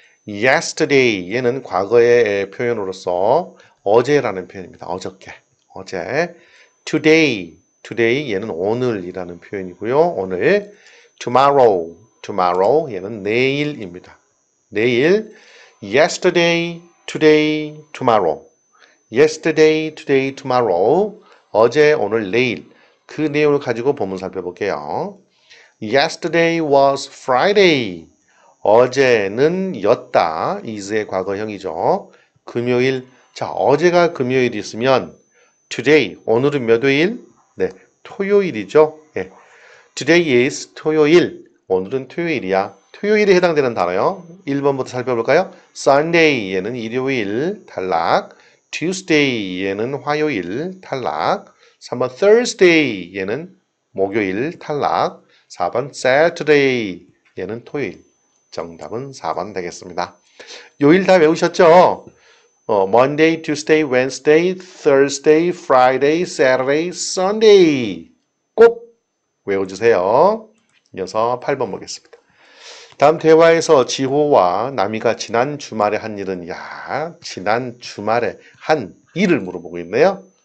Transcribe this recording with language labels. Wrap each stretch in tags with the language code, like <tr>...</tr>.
<ko>Yesterday 얘는 과거의 표현으로서 어제라는 표현입니다. 어저께, 어제. Today 얘는 오늘이라는 표현이고요. 오늘. Tomorrow 얘는 내일입니다. 내일.</ko> <en>Yesterday, today, tomorrow. Yesterday, today, tomorrow.</en> <ko>어제, 오늘, 내일. 그 내용을 가지고 본문 살펴볼게요.</ko> <en>Yesterday was Friday.</en> <ko>어제는 였다. is의 과거형이죠. 금요일. 자, 어제가 금요일이 있으면 today, 오늘은 몇 회일? 네, 토요일이죠. 예.</ko> <en>Today is 토요일.</en> <ko>오늘은 토요일이야. 토요일에 해당되는 단어요. 1번부터 살펴볼까요? Sunday 얘는 일요일 탈락. Tuesday 얘는 화요일 탈락. 3번 Thursday 얘는 목요일 탈락. 4번 Saturday 얘는 토요일. 정답은 4번 되겠습니다. 요일 다 외우셨죠?</ko> <en>Monday, Tuesday, Wednesday, Thursday, Friday, Saturday, Sunday.</en> <ko>꼭 외워주세요. 이어서 8번 보겠습니다. 다음 대화에서 지호와 나미가 지난 주말에 한 일은, 야, 지난 주말에 한 일을 물어보고 있네요.</ko>